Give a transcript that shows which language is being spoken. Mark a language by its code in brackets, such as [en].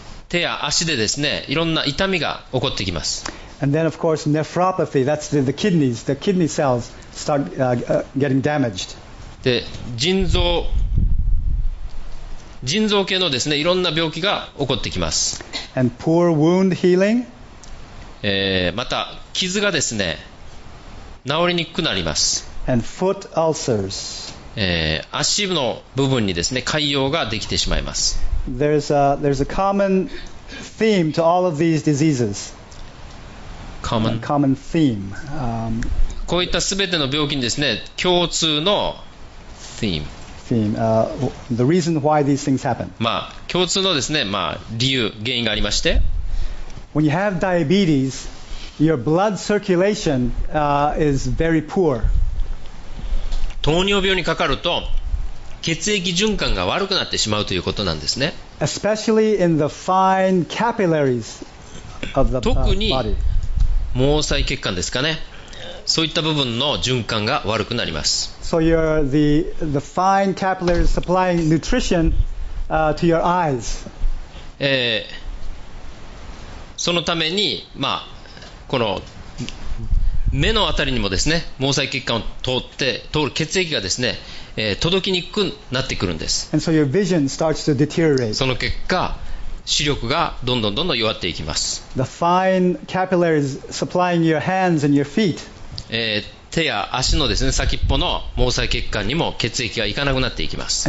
[ja] 手や足でですね、いろんな痛みが起こってきます。 [en] And then of course nephropathy, that's the kidneys, the kidney cells start getting damaged. [ja] で、腎臓系のですね、いろんな病気が起こってきます。 [en] And poor wound healing. [ja] また傷がですね、治りにくくなります。 [en] And foot ulcers. [ja] 足の部分にですね、潰瘍ができてしまいます。 [en] There's a common theme to all of these diseases. Common theme. [ja] こういったすべての病気にですね、共通のTheme. [en] The reason why these things happen. [ja] まあ共通のですね、まあ理由、原因がありまして。 [en] When you have diabetes, your blood circulation is very poor. [ja] 糖尿病にかかると血液循環が悪くなってしまうということなんですね。 [en] Especially in the fine capillaries of the body. [ja] 特に毛細血管ですかね。そういった部分の循環が悪くなります。 [en] So you're the fine capillaries supplying nutrition to your eyes. [ja] そのためにまあこの目のあたりにもですね、毛細血管を通る血液がですね、届きにくくなってくるんです。 [en] And so your vision starts to deteriorate. [ja] その結果視力がどんどん弱っていきます。 [en] The fine capillaries supplying your hands and your feet. [ja] 手や足のですね、先っぽの毛細血管にも血液がいかなくなっていきます。